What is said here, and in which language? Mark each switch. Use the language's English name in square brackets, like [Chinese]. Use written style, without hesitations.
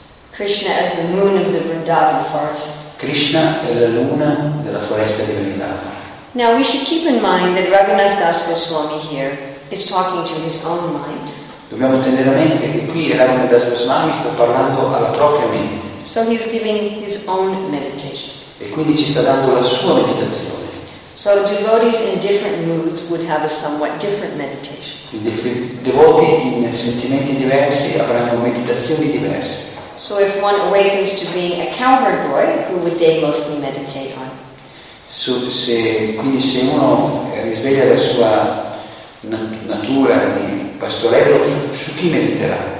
[English] Krishna as the moon of the Vrindavan forest. [Italian] Krishna è la luna della foresta di Vrindavan. [English] Now we should keep in mind that Raghunath Das Goswami here is talking to his own mind. [Italian] Dobbiamo tenere a mente che qui Raghunath Das Goswami sta parlando alla propria mente. [English] So he's giving his own meditation. [Italian] E quindi ci sta dando la sua meditazione. [English] So devotees in different moods would have a somewhat different meditation. [Italian] Devoti in sentimenti diversi avranno meditazioni diverse. [English] So if one awakens to being a cowherd boy, who would they mostly meditate on? [Italian] So, se, quindi se uno risveglia la sua natura di pastorello, su chi mediterà?